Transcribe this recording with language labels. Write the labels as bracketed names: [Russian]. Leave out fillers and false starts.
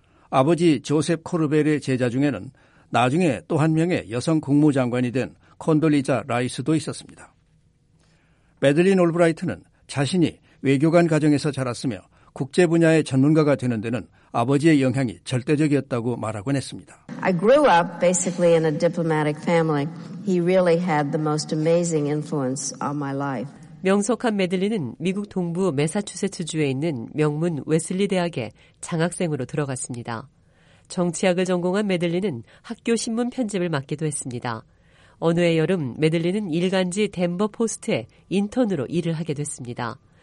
[Korean] 아버지 조셉 코르벨의 제자 중에는 나중에 또 한 명의 여성 국무장관이 된 콘돌리자 라이스도 있었습니다. 메들린 올브라이트는 자신이 외교관 가정에서 자랐으며 국제 분야의 전문가가 되는 데는 아버지의 영향이 절대적이었다고 말하곤 했습니다. [English] I grew up basically in a diplomatic family. He really had the most amazing influence on my life. [Korean] 명석한 메들린은 미국 동부 매사추세츠주에 있는 명문 웨슬리 대학에 장학생으로 들어갔습니다. 정치학을 전공한 메들린은 학교 신문 편집을 맡기도 했습니다. 어느 해 여름 메들린은 일간지 덴버 포스트에 인턴으로 일을 하게 됐습니다.